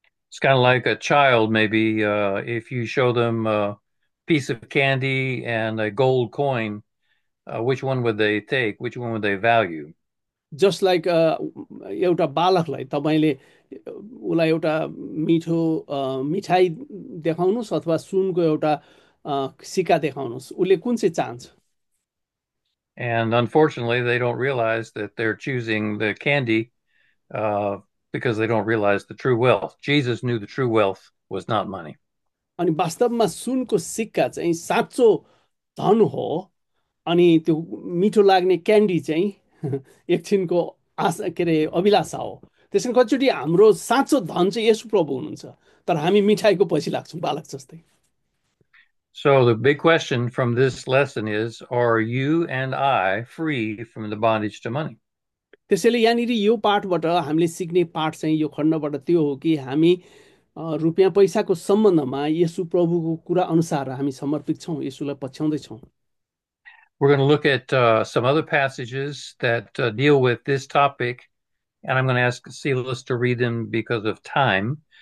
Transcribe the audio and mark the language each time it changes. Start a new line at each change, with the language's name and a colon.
English: It's kind of like a child, maybe, if you show them a piece of candy and a gold coin, which one would they take? Which one would they value? Just like
Nepali: एउटा बालकलाई तपाईँले उसलाई एउटा मिठो मिठाई देखाउनुहोस् अथवा सुनको एउटा सिक्का देखाउनुहोस्, उसले कुन चाहिँ चाहन्छ?
English: And unfortunately, they don't realize that they're choosing the candy. Because they don't realize the true wealth. Jesus knew the true wealth was not money.
Nepali: अनि वास्तवमा सुनको सिक्का चाहिँ साँचो धन हो, अनि त्यो मिठो लाग्ने क्यान्डी चाहिँ एकछिनको आशा के अरे अभिलाषा हो। त्यसैले कतिचोटि हाम्रो साँचो धन चाहिँ येशु प्रभु हुनुहुन्छ, तर हामी मिठाईको पछि लाग्छौँ बालक जस्तै।
English: So the big question from this lesson is, are you and I free from the bondage to money?
Nepali: त्यसैले यहाँनिर यो पाठबाट हामीले सिक्ने पाठ चाहिँ यो खण्डबाट त्यो हो कि हामी रुपियाँ पैसाको सम्बन्धमा येशु प्रभुको कुरा अनुसार हामी समर्पित छौँ, येशुलाई पछ्याउँदैछौँ।
English: We're going to look at some other passages that deal with this topic, and I'm going to ask Silas to read them because of time.